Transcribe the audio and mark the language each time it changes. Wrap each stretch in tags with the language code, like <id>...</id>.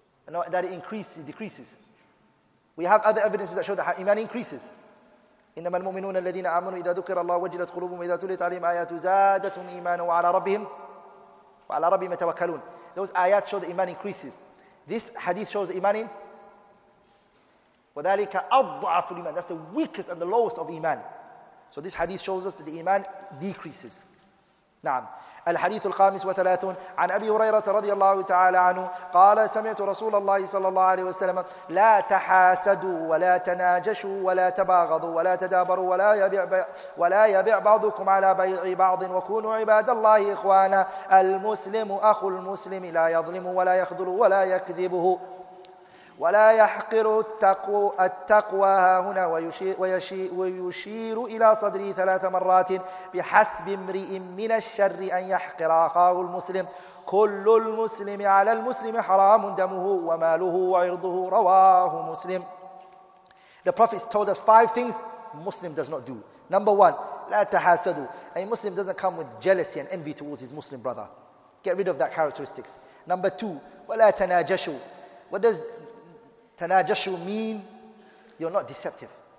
<en>No, that it increases, it decreases. We have other evidences that show that iman increases.</en> <ar>إنما المؤمنون الذين آمنوا إذا ذكر الله وجلت قلوبهم وإذا تليت عليهم آياته زادتهم إيمانا وعلى ربهم.</ar> <en>Those ayat show the iman increases. This hadith shows the iman in.</en> <ar>وَذَلِكَ أَضْعَفُ الْإِيمَانِ.</ar> <en>That's the weakest and the lowest of iman. So this hadith shows us that the iman decreases.</en> <ar>نعم. الحديث الخامس وثلاثون عن أبي هريرة رضي الله تعالى عنه قال سمعت رسول الله صلى الله عليه وسلم لا تحاسدوا ولا تناجشوا ولا تباغضوا ولا تدابروا ولا يبيع بعضكم على بيع بعض وكونوا عباد الله إخوانا المسلم أخو المسلم لا يظلم ولا يخذل ولا يكذبه ولا يحقر التقوى هنا ويشير إلى صدري ثلاث مرات بحسب امرئ من الشر أن يحقر أخاه المسلم كل المسلم على المسلم حرام دمه وماله وعرضه رواه مسلم.</ar> <en>The Prophet told us five things Muslim does not do. Number one, لا تحاسدوا. A Muslim doesn't come with jealousy and envy towards his Muslim brother. Get rid of that characteristics. Number two, ولا تناجشوا. What does Tanajashu mean? You're not deceptive.</en>